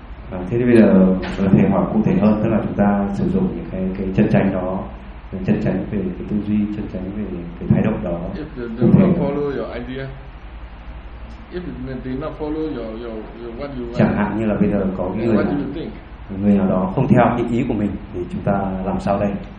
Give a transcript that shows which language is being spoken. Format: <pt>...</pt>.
<vi>Thế thì bây giờ thể hóa cụ thể hơn, tức là chúng ta sử dụng những cái chân chánh đó, chân chánh về cái tư duy, chân chánh về cái thái độ đó.</vi> <en>If they don't follow your idea, if they not follow your what you want.</en> <vi>Chẳng hạn như là bây giờ có cái người người nào đó không theo cái ý của mình thì chúng ta làm sao đây?</vi>